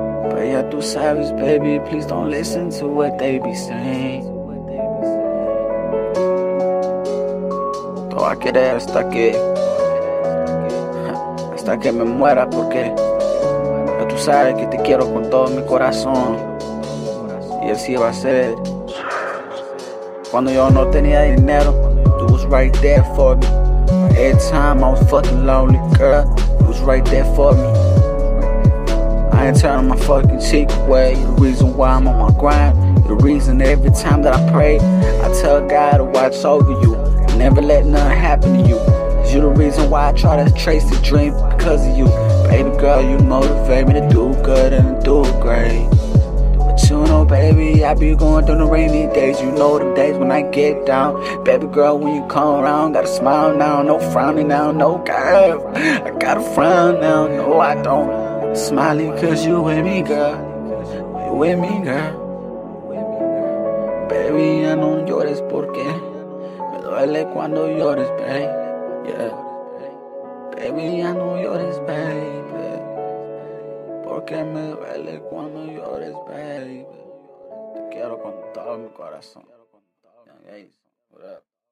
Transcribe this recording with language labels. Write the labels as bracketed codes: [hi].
[en] But yeah, do savage, baby. Please don't listen to what they be saying. [es] Todo va a querer hasta que me muera, porque ya tú sabes que te quiero con todo mi corazón. Y así va a ser. Cuando yo no tenía dinero, tú [en] was right there for me. Every time I was fucking lonely, girl, you was right there for me. I ain't turning my fucking cheek away. You're the reason why I'm on my grind. You're the reason every time that I pray, I tell God to watch over you. Never let nothing happen to you. Cause you're the reason why I try to trace the dream because of you. Baby girl, you motivate me to do good and do great. You know, baby, I be going through the rainy days. You know them days when I get down. Baby girl, when you come around, got a smile now, no frowning now, no curve. I got a frown now, no, I don't. Smiling cause you with me, girl. You with me, girl. [es] Baby, ya no llores porque me duele cuando llores, babe. Yeah. Baby, ya no llores, babe. Porque me duele cuando llores, baby. Te quiero con todo mi corazón. Young Ace, [en] what up?